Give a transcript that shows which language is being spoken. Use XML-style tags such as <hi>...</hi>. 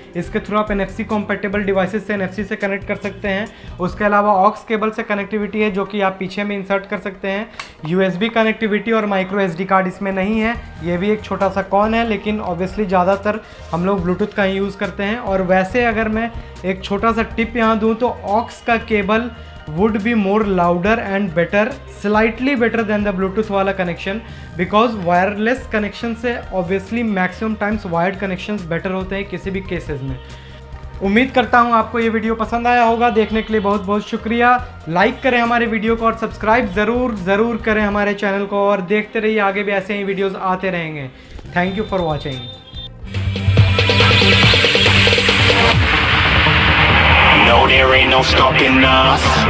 <hi>इसके थ्रू आप NFC compatible devices से NFC से कनेक्ट कर सकते हैं। उसके अलावा ऑक्स केबल से कनेक्टिविटी है, जो कि आप पीछे में इंसर्ट कर सकते हैं। USB कनेक्टिविटी और microSD कार्ड इसमें नहीं है, ये भी एक छोटा सा कॉन है, लेकिन ऑब्वियसली ज़्यादातर हम लोग ब्लूटूथ का ही यूज़ करते हैं। और वैसे अगर मैं एक छोटा सा टिप यहाँ दूँ, तो ऑक्स का cable</hi> <en>would be more louder and better, slightly better than the Bluetooth</en> <hi>वाला</hi> <en>connection, because wireless connection</en> <hi>से</hi> <en>obviously maximum times wired connections better</en> <hi>होते हैं किसी भी cases में। उम्मीद करता हूँ आपको ये वीडियो पसंद आया होगा। देखने के लिए बहुत बहुत शुक्रिया। लाइक करें हमारे वीडियो को और सब्सक्राइब ज़रूर ज़रूर करें हमारे चैनल को, और देखते रहिए आगे भी ऐसे ही वीडियोज आते रहेंगे।</hi> <en>Thank you for watching. No, there ain't no stopping us.</en>